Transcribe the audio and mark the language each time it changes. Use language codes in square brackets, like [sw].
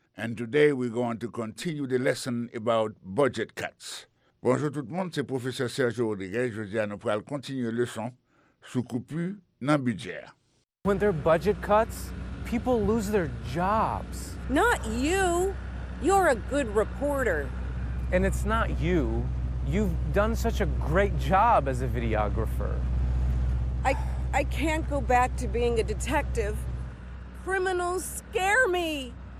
[en] And today we're going to continue the lesson about budget cuts. [fr] Bonjour tout le monde, c'est professeur Sergio Rodriguez. Je vais nous faire continuer la leçon sur coupure dans le budget. [en] When there are budget cuts, people lose their jobs. Not you. You're a good reporter. And it's not you. You've done such a great job as a videographer. I can't go back to being a detective. Criminals scare me.